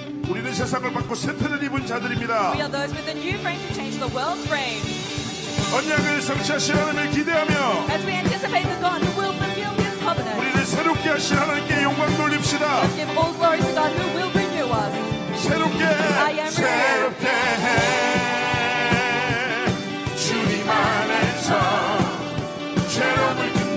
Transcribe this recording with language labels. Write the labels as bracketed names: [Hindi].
[Korean] 우리는 세상을 바꾸 새 틀을 입은 자들입니다. [English] We are those with a new frame to change the world's frame. [Korean] 언약을 성취하실 하나님을 기대하며 [English] As we anticipate the God who will fulfill his covenant. [Korean] 우리는 새롭게 하실 하나님께 영광 돌립시다. [English] Let's give all glory to God who will renew us. [Korean] 새롭게 [English] I am [Korean] 새롭게 해 주님 안에서 새로운